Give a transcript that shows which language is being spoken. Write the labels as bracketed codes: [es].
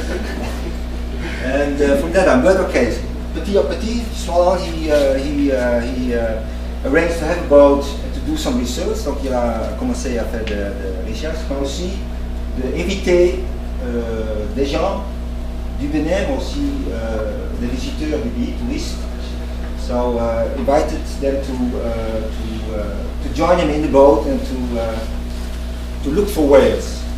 [en] And from that on, but okay, [fr] petit à petit, soit [en] he arranged to have a boat to do some research. [fr] Donc il a commencé à faire de recherches, mais aussi d'inviter des gens du Bénin, mais aussi des visiteurs du pays, touristes. [en] So invited them to join him in the boat and to look for whales.